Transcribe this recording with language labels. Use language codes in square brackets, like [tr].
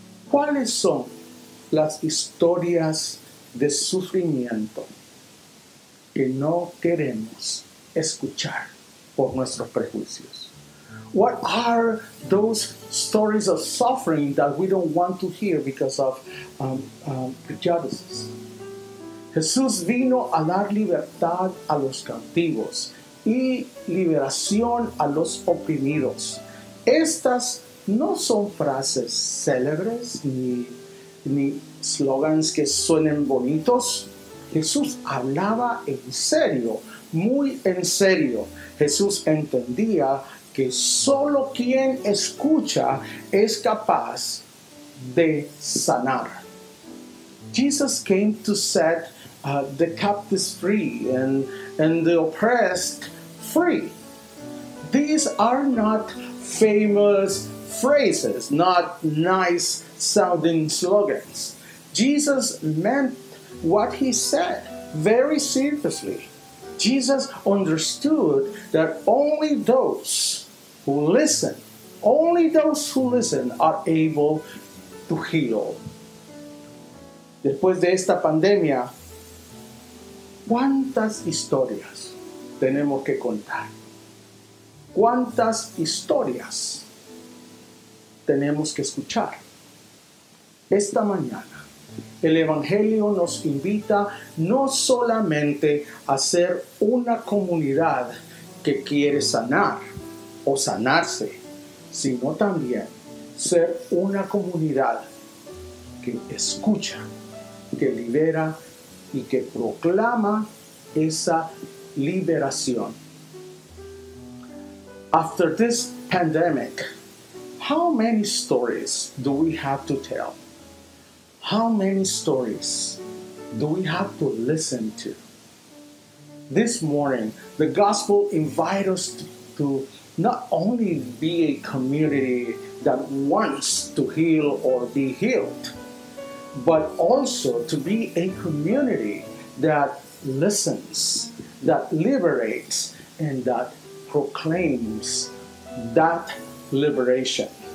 [es] ¿Cuáles son las historias de sufrimiento que no queremos escuchar por nuestros prejuicios? [en] What are those stories of suffering that we don't want to hear because of prejudices? [es] Jesús vino a dar libertad a los cautivos y liberación a los oprimidos. Estas no son frases célebres ni slogans que suenen bonitos. Jesús hablaba en serio, muy en serio. Jesús entendía que solo quien escucha es capaz de sanar. [en] Jesus came to set the captives free and the oppressed free. These are not famous phrases, not nice sounding slogans. Jesus meant what he said very seriously. Jesus understood that only those who listen, only those who listen are able to heal. [es] Después de esta pandemia, ¿cuántas historias tenemos que contar? ¿Cuántas historias tenemos que escuchar? Esta mañana, el Evangelio nos invita no solamente a ser una comunidad que quiere sanar o sanarse, sino también ser una comunidad que escucha, que libera y que proclama esa liberación. [en] After this pandemic, how many stories do we have to tell? How many stories do we have to listen to? This morning, the gospel invites us to not only be a community that wants to heal or be healed, but also to be a community that listens, that liberates, and that proclaims that liberation.